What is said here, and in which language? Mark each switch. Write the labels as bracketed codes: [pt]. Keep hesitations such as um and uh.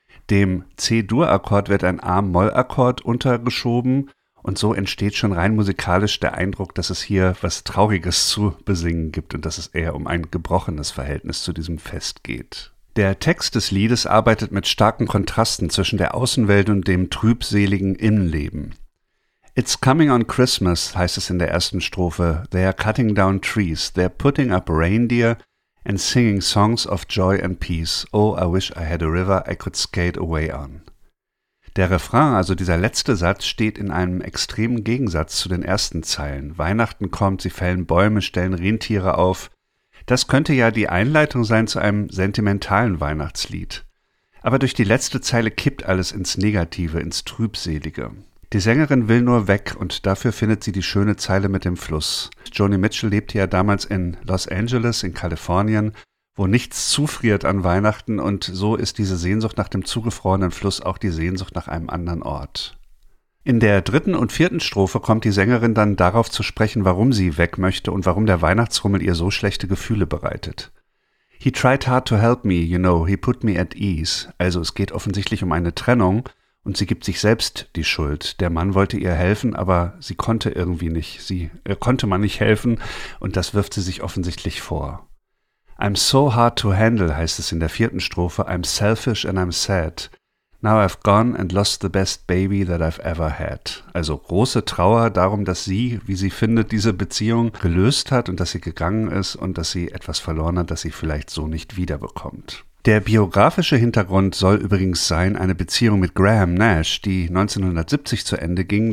[de] Dem C-Dur-Akkord wird ein A-Moll-Akkord untergeschoben und so entsteht schon rein musikalisch der Eindruck, dass es hier was Trauriges zu besingen gibt und dass es eher um ein gebrochenes Verhältnis zu diesem Fest geht. Der Text des Liedes arbeitet mit starken Kontrasten zwischen der Außenwelt und dem trübseligen Innenleben. [en] It's coming on Christmas, [de] heißt es in der ersten Strophe. [en] They are cutting down trees, they're putting up reindeer and singing songs of joy and peace. Oh, I wish I had a river I could skate away on. [de] Der Refrain, also dieser letzte Satz, steht in einem extremen Gegensatz zu den ersten Zeilen. Weihnachten kommt, sie fällen Bäume, stellen Rentiere auf. Das könnte ja die Einleitung sein zu einem sentimentalen Weihnachtslied. Aber durch die letzte Zeile kippt alles ins Negative, ins Trübselige. Die Sängerin will nur weg und dafür findet sie die schöne Zeile mit dem Fluss. Joni Mitchell lebte ja damals in Los Angeles in Kalifornien wo nichts zufriert an Weihnachten und so ist diese Sehnsucht nach dem zugefrorenen Fluss auch die Sehnsucht nach einem anderen Ort. In der dritten und vierten Strophe kommt die Sängerin dann darauf zu sprechen, warum sie weg möchte und warum der Weihnachtsrummel ihr so schlechte Gefühle bereitet. [en] He tried hard to help me, you know, he put me at ease. [de] Also es geht offensichtlich um eine Trennung und sie gibt sich selbst die Schuld. Der Mann wollte ihr helfen, aber sie konnte irgendwie nicht. Sie äh, konnte man nicht helfen und das wirft sie sich offensichtlich vor. [en] I'm so hard to handle [de] heißt es in der vierten Strophe. [en] I'm selfish and I'm sad. Now I've gone and lost the best baby that I've ever had. [de] Also große Trauer darum, dass sie, wie sie findet, diese Beziehung gelöst hat und dass sie gegangen ist und dass sie etwas verloren hat, das sie vielleicht so nicht wiederbekommt. Der biografische Hintergrund soll übrigens sein eine Beziehung mit Graham Nash, die 1970 zu Ende ging.